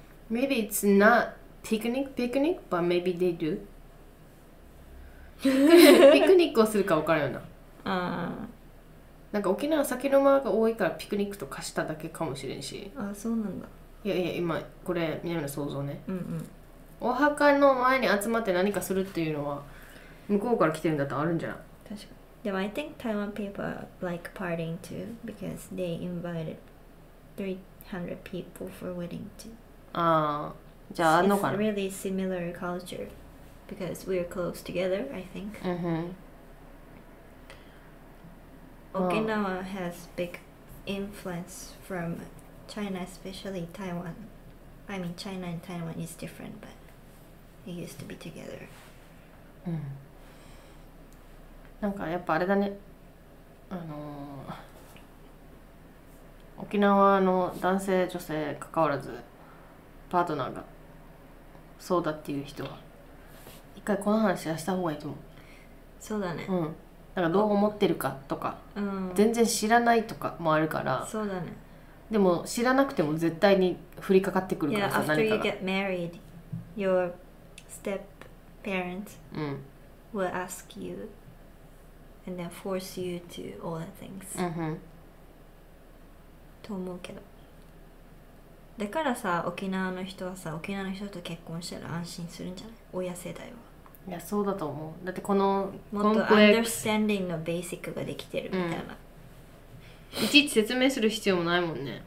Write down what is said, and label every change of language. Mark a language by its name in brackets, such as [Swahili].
[English] Maybe it's not picnic, but maybe they do. [Japanese] ピクニックをするか分からんよな。なんか沖縄は酒の間が多いからピクニックと貸しただけかもしれんし。あ、そうなんだ。いやいや、今これ南の想像ね、うんうん、お墓の前に集まって何かするっていうのは向こうから来てるんだったらあるんじゃない。確かに。でも [English] I think Taiwan people like partying too because they invited 300 people for wedding too. [Japanese] あー、じゃああるのかな。 [English] It's really similar culture because we're close together I think、 [Japanese] うんうん。 [English] Okinawa has big influence from China, especially Taiwan. I mean, China and Taiwan is different, but they used to be together. [Japanese] うん。なんかやっぱあれだね。沖縄の男性女性関わらずパートナーがそうだっていう人は一回この話はした方がいいと思う。そうだね。うん。なんかどう思ってるかとか、うん、全然知らないとかもあるから。そうだね。でも知らなくても絶対に降りかかってくるからさ、 yeah, 何か [English] が。 After you get married, your step parents、 [Japanese] うん、 [English] will ask you and then force you to all the things、 [Japanese] うんうん、と思うけど。だからさ、沖縄の人はさ、沖縄の人と結婚したら安心するんじゃない、親世代は。いや、そうだと思う。だってこのコンプレックス、もっとアンダースタンディングのベーシックができてるみたいな、うん、いちいち説明する必要もないもんね。